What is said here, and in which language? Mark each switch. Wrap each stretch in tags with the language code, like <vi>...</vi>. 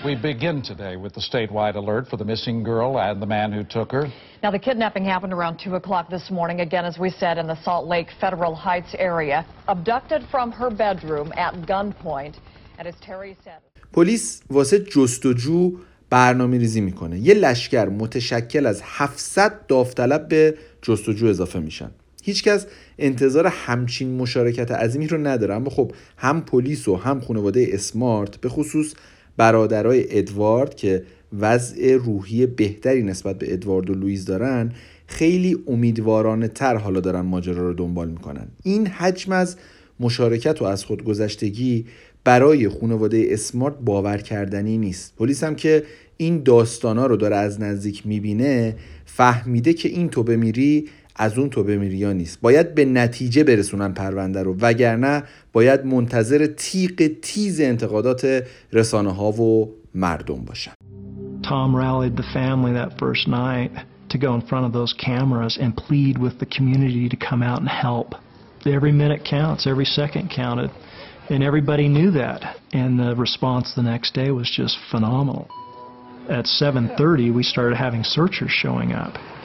<en>We begin today with the statewide alert for the missing girl and the man who took her. Now the kidnapping happened around 2 o'clock this morning, again as we said, in the Salt Lake Federal Heights area. Abducted from her bedroom at gunpoint, and as Terry said.</en> <fa>پلیس واسه جستجو برنامه‌ریزی میکنه. یه لشکر متشکل از 700 داوطلب به جستجو اضافه میشن. هیچکس انتظار همچین مشارکت عظیمی رو نداره، اما خب هم پلیس و هم خانواده اسمارت به خصوص برادرای ادوارد که وضع روحی بهتری نسبت به ادوارد و لوئیس دارن خیلی امیدوارانه تر حالا دارن ماجرا رو دنبال میکنن. این حجم از مشارکت و از خودگذشتگی برای خانواده اسمارت باور کردنی نیست. پلیس هم که این داستانا رو داره از نزدیک میبینه فهمیده که این تو بمیری از اون تو بمیری ها نیست. باید به نتیجه برسونن پرونده رو، وگرنه باید منتظر تیغ تیز انتقادات رسانه ها و مردم باشن.</fa> <en>Tom rallied the family that first night to go in front of those cameras and plead with the community to come out and help. Every minute counts, every second counted, and everybody knew that. And the response the next day was just phenomenal. At 7:30 we started having searchers showing up.</en>